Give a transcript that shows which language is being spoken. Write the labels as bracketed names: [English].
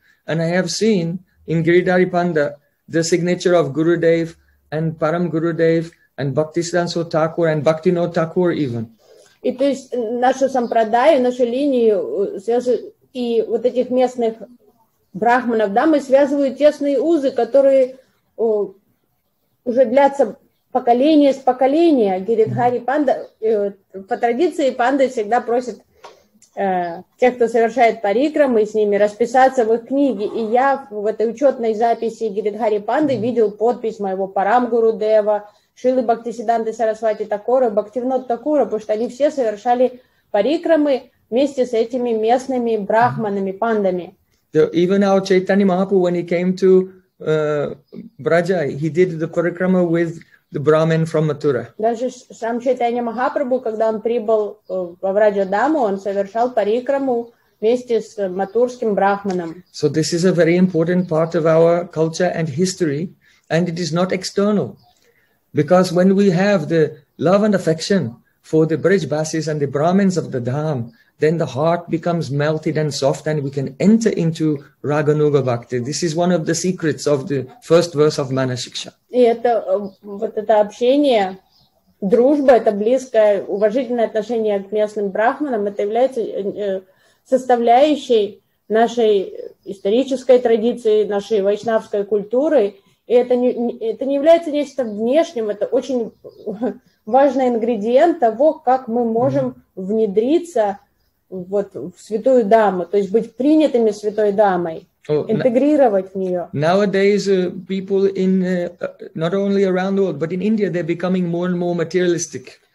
[English] And I have seen in Giridhari Panda the signature of Gurudev and Param Gurudev and Bhaktisiddhanta Thakur and Bhaktinoda Thakur even. [Russian] И то есть нашу Сампрадаю, нашу линию связи и вот этих местных брахманов, да, мы связываем тесные узы, которые уже длятся поколение с поколения. Гиридхари Панда, по традиции панды всегда просят тех, кто совершает парикрамы с ними, расписаться в их книге. И я в этой учетной записи Гиридхари Панды видел подпись моего Парам Гурудева, Шилы Бхактисиддханты Сарасвати Такура, Бхактивинод Такура, потому что они все совершали парикрамы вместе с этими местными брахманами, пандами. [English] Even our Chaitanya Mahaprabhu, when he came to Braja, he did the parikrama with the Brahmin from Mathura. [Russian] Даже сам Чайтанья Махапрабху, когда он прибыл во Враджа-даму, он совершал парикраму вместе с матурским брахманом. [English] So this is a very important part of our culture and history, and it is not external. Because when we have the love and affection for the Brijbasis and the Brahmins of the Dham, then the heart becomes melted and soft and we can enter into Raganuga Bhakti. This is one of the secrets of the first verse of Manashiksha. [Russian] И это вот это общение, дружба, это близкое, уважительное отношение к местным брахманам, это является составляющей нашей исторической традиции, нашей вайшнавской культуры. И это не является нечто внешним, это очень важный ингредиент того, как мы можем внедриться вот в святую даму, то есть быть принятыми святой дамой, интегрировать в нее. [English] Nowadays, people in not only around the world, but in India, they're becoming more and more materialistic.